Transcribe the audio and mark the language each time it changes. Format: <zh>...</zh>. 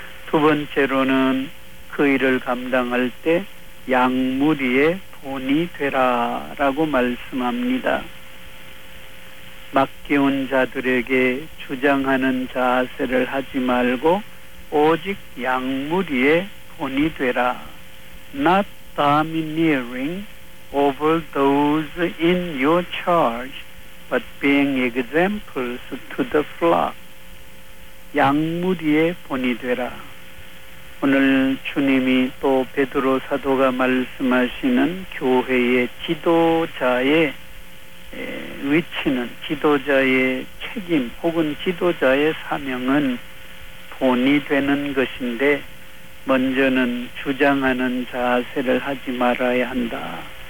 <ko>두 번째로는 그 일을 감당할 때 양무리의 본이 되라라고 말씀합니다. 맡겨온 자들에게 주장하는 자세를 하지 말고 오직 양무리의 본이 되라.</ko> <en>Not domineering over those in your charge, but being examples to the flock.</en> <ko>양무리의 본이 되라. 오늘 주님이 또 베드로 사도가 말씀하시는 교회의 지도자의 위치는, 지도자의 책임 혹은 지도자의 사명은 본이 되는 것인데, 먼저는 주장하는 자세를 하지 말아야 한다.</ko>